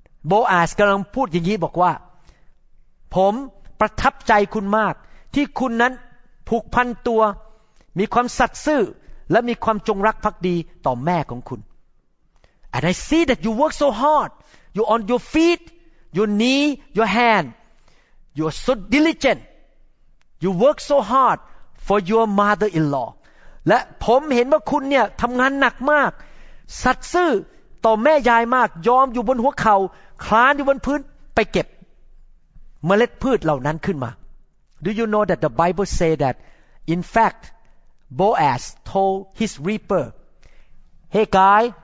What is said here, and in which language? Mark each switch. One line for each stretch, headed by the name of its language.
Thai: Boaz กำลังพูดอย่างนี้บอกว่าผมประทับใจคุณมากที่คุณนั้นผูกพันตัวมีความสัตย์ซื่อ และมีความจงรักภักดีต่อแม่ของคุณ
English: And I see that you work so hard. You're on your feet, your knee, your hand. You're so diligent. You work so hard for your mother-in-law.
Thai: และผมเห็นว่าคุณเนี่ยทำงานหนักมากสัตย์ซื่อต่อแม่ยายมากยอมอยู่บนหัวเข่าคลานอยู่บนพื้นไปเก็บเมล็ดพืชเหล่านั้นขึ้นมา
English: Do you know that the Bible say that in fact Boaz told his reaper Hey guy